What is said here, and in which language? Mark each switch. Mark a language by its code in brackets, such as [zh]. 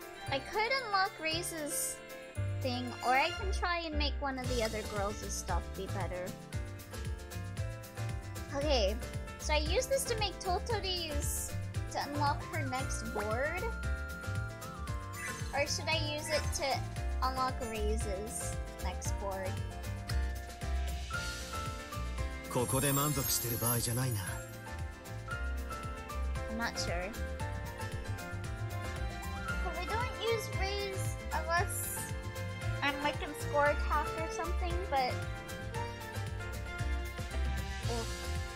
[en] I could unlock Raze's thing, or I can try and make one of the other girls' stuff be better. Okay, so I use this to make Totori's to unlock her next board. Or should I use it to unlock Raze's next board? [ja] ここで満足してる場合じゃないな。 [en] I'm not sure. But I don't use Raze unless I'm like in score attack or something, but... Oof.